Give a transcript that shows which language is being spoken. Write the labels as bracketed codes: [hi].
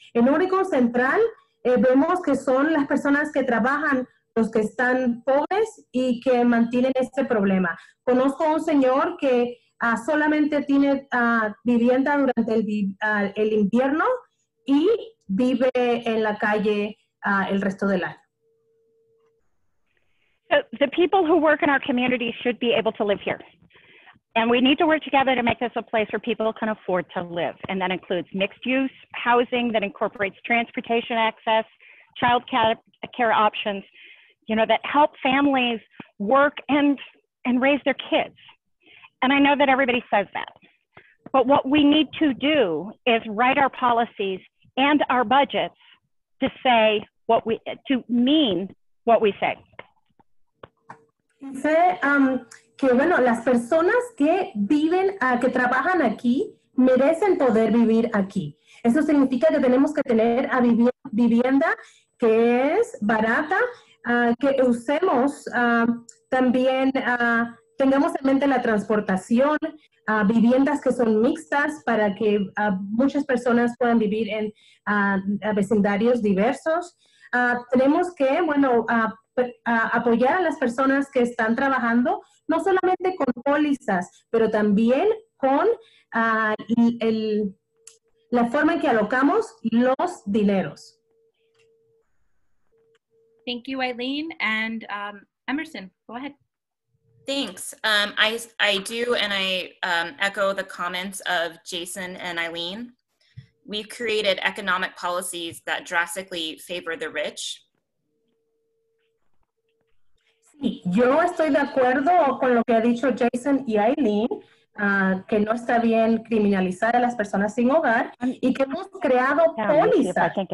[es] En Oregon Central vemos que son las personas que trabajan los que están pobres y que mantienen este problema. Conozco a un señor que solamente tiene vivienda durante el invierno y vive en la calle el resto del año. [en] The people who work in our community should be able to live here. And we need to work together to make this a place where people can afford to live. And that includes mixed use housing that incorporates transportation access, child care options, you know, that help families work and raise their kids. And I know that everybody says that. But what we need to do is write our policies and our budgets to say what we, to mean what we say. [es] Dice que, bueno, las personas que viven, que trabajan aquí, merecen poder vivir aquí. Eso significa que tenemos que tener vivienda que es barata, que usemos también, tengamos en mente la transportación, viviendas que son mixtas para que muchas personas puedan vivir en vecindarios diversos. Tenemos que, bueno, apoyar a las personas que están trabajando, no solamente con pólizas, pero también con la forma en que alocamos los dineros. [en] Thank you, Eileen. And Emerson, go ahead. Thanks. I do, and I echo the comments of Jason and Eileen. We've created economic policies that drastically favor the rich. [es] Yo estoy de acuerdo con lo que ha dicho Jason y Eileen, que no está bien criminalizar a las personas sin hogar y que hemos creado pólizas.